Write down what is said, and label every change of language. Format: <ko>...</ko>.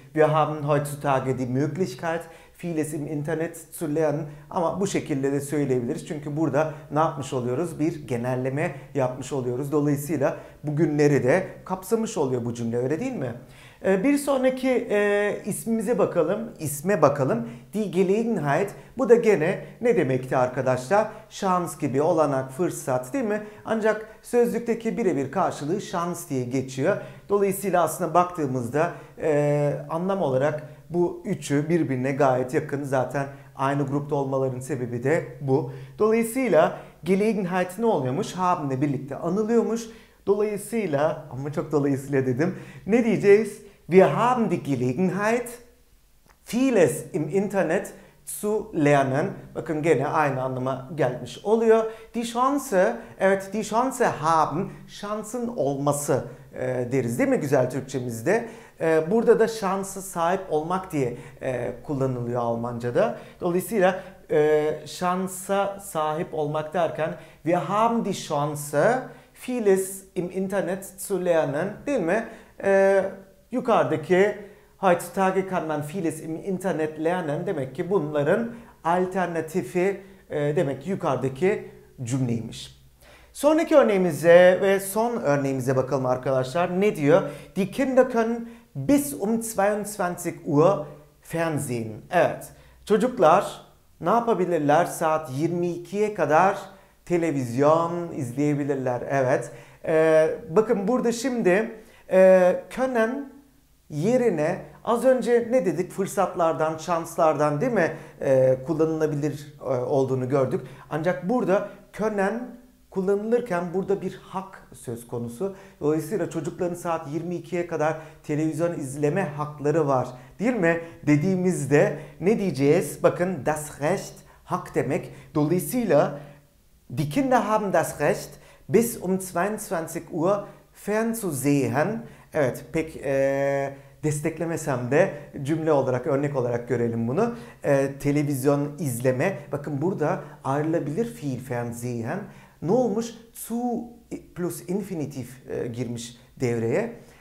<de>Wir haben heutzutage die Möglichkeit vieles im Internet zu lernen.</de> <tr>Ama bu şekilde de söyleyebiliriz. Çünkü burada ne yapmış oluyoruz? Bir genelleme yapmış oluyoruz. Dolayısıyla bugünleri de kapsamış oluyor bu cümle, öyle değil mi? Bir sonraki ismimize bakalım. İsme bakalım. Die Gelegenheit. Bu da gene ne demekti arkadaşlar? Şans gibi, olanak, fırsat değil mi? Ancak sözlükteki birebir karşılığı şans diye geçiyor. Dolayısıyla aslında baktığımızda anlam olarak bu üçü birbirine gayet yakın. Zaten aynı grupta olmaların sebebi de bu. Dolayısıyla Gelegenheit ne oluyormuş? Haben'le birlikte anılıyormuş. Dolayısıyla, ama çok dolayısıyla dedim. Ne diyeceğiz?</tr> <de>Wir haben die Gelegenheit, vieles im Internet zu lernen.</de> <tr>Bakın gene aynı anlama gelmiş oluyor. Die Chance, evet</tr> <de>die Chance haben,</de> <tr>şansın olması deriz değil mi güzel Türkçemizde? Burada da şansı sahip olmak diye kullanılıyor Almanca'da. Dolayısıyla şansa sahip olmak derken</tr> <de>wir haben die Chance vieles im Internet zu lernen</de> <tr>değil mi? Yukarıdaki</tr> <de>heutzutage kann man vieles im Internet lernen</de> <tr>demek ki bunların alternatifi demek ki yukarıdaki cümleymiş. Sonraki örneğimize ve son örneğimize bakalım arkadaşlar. Ne diyor?</tr> <de>Die Kinder können bis um 22 Uhr Fernsehen.</de> <tr>Evet. Çocuklar ne yapabilirler? Saat 22'ye kadar televizyon izleyebilirler. Evet. Bakın burada şimdi Können yerine az önce ne dedik? Fırsatlardan, şanslardan değil mi? Kullanılabilir olduğunu gördük. Ancak burada können kullanılırken burada bir hak söz konusu. Dolayısıyla çocukların saat 22'ye kadar televizyon izleme hakları var değil mi? Dediğimizde ne diyeceğiz? Bakın das Recht hak demek. Dolayısıyla</tr> <de>die Kinder haben das Recht bis 22 Uhr fernzusehen.</de> <tr>Evet, pek desteklemesem de cümle olarak, örnek olarak görelim bunu. Televizyon izleme. Bakın burada ayrılabilir fiil fernzusehen. Ne olmuş? Zu plus infinitif girmiş devreye.</tr>